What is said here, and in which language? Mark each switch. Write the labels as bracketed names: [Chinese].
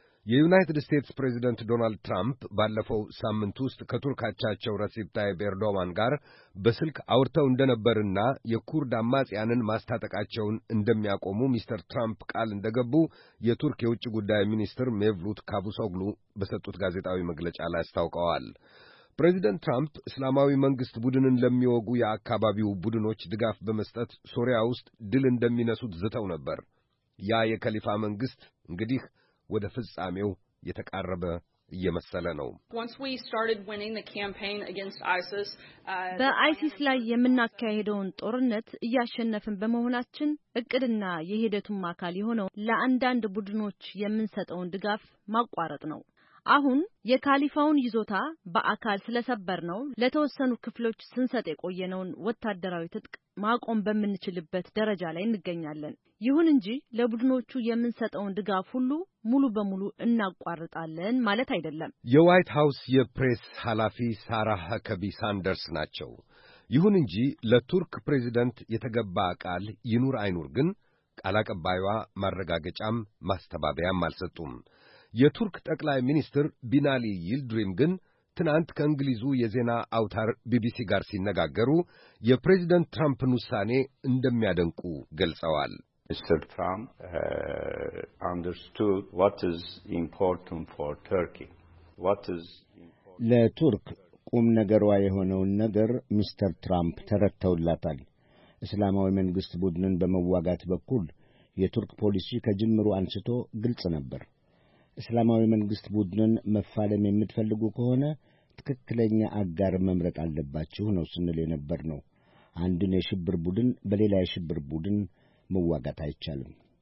[Amharic] የዩናይትድ ስቴትስ ፕሬዚደንት ዶናልድ ትራምፕ ባለፈው ሳምንት ውስጥ ከቱርክ አቻቸው ረሲፕ ታይብ ኤርዶዋን ጋር በስልክ አውርተው እንደነበርና የኩርድ አማጽያንን ማስታጠቃቸውን እንደሚያቆሙ ሚስተር ትራምፕ ቃል እንደገቡ የቱርክ የውጭ ጉዳይ ሚኒስትር ሜቭሉት ካቡሶግሉ በሰጡት ጋዜጣዊ መግለጫ ላይ አስታውቀዋል። ፕሬዚደንት ትራምፕ እስላማዊ መንግስት ቡድንን ለሚወጉ የአካባቢው ቡድኖች ድጋፍ በመስጠት ሶሪያ ውስጥ ድል እንደሚነሱት ዝተው ነበር። ያ የከሊፋ መንግስት እንግዲህ ወደ ፍጻሜው የተቃረበ እየመሰለ ነው። [English] Once we started winning the campaign against ISIS, [Amharic] በIS ላይ የምናካሄደውን ጦርነት እያሸነፍን በመሆናችን እቅድና የሄደቱን ማካል የሆነው ለአንዳንድ ቡድኖች የምንሰጠውን ድጋፍ ማቋረጥ ነው። አሁን የካሊፋውን ይዞታ በአካል ስለሰበር ነው ለተወሰኑ ክፍሎች ስንሰጥ የቆየነውን ወታደራዊ ትጥቅ ማቆም በምንችልበት ደረጃ ላይ እንገኛለን። ይሁን እንጂ ለቡድኖቹ የምንሰጠውን ድጋፍ ሁሉ ሙሉ በሙሉ እናቋርጣለን ማለት አይደለም። የዋይት ሃውስ የፕሬስ ኃላፊ ሳራ ሀከቢ ሳንደርስ ናቸው። ይሁን እንጂ ለቱርክ ፕሬዚደንት የተገባ ቃል ይኑር አይኑር ግን ቃል አቀባይዋ ማረጋገጫም ማስተባበያም አልሰጡም። የቱርክ ጠቅላይ ሚኒስትር ቢናሊ ይልድሪም ግን ትናንት ከእንግሊዙ የዜና አውታር ቢቢሲ ጋር ሲነጋገሩ የፕሬዚደንት ትራምፕን ውሳኔ እንደሚያደንቁ ገልጸዋል። [English] Mr. Trump understood what is important for Turkey. What is important [Amharic] ለቱርክ ቁም ነገሯ የሆነውን ነገር ሚስተር ትራምፕ ተረድተውላታል። እስላማዊ መንግስት ቡድንን በመዋጋት በኩል የቱርክ ፖሊሲ ከጅምሩ አንስቶ ግልጽ ነበር። እስላማዊ መንግስት ቡድንን መፋለም የምትፈልጉ ከሆነ ትክክለኛ አጋር መምረጥ አለባችሁ ነው ስንል የነበር ነው። አንድን የሽብር ቡድን በሌላ የሽብር ቡድን መዋጋት አይቻልም።